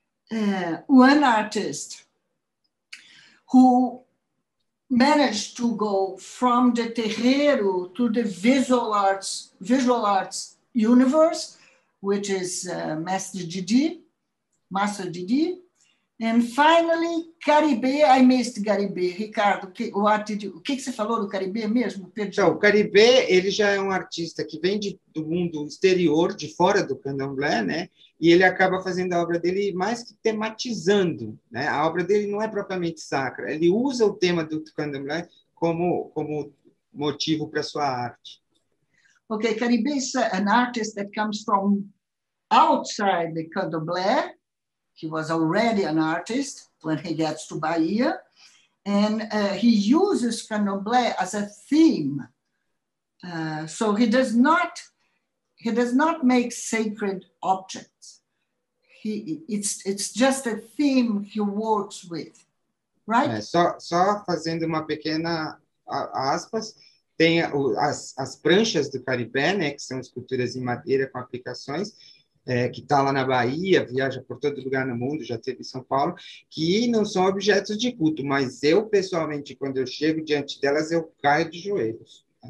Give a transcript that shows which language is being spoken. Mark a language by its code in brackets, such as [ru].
[en] One artist who managed to go from the terreiro to the visual arts universe, which is Master Didi. And finally, Caribe, I missed Caribe. [pt] Ricardo, o que você falou do Caribe mesmo? Então, o Caribe, ele já é um artista que vem do mundo exterior, de fora do candomblé, né? E ele acaba fazendo a obra dele mais que tematizando, né? A obra dele não é propriamente sacra, ele usa o tema do candomblé como motivo para sua arte. [en] Ok, Caribe is an artist that comes from outside the candomblé. He was already an artist when he gets to Bahia, and he uses candomblé as a theme. So he does not make sacred objects. It's just a theme he works with, right? [pt] Só fazendo uma pequena aspas, tem as pranchas do Caribé, né, que são esculturas em madeira com aplicações. Que está lá na Bahia, viaja por todo lugar no mundo, já teve em São Paulo, que não são objetos de culto, mas eu, pessoalmente, quando eu chego diante delas, eu caio de joelhos.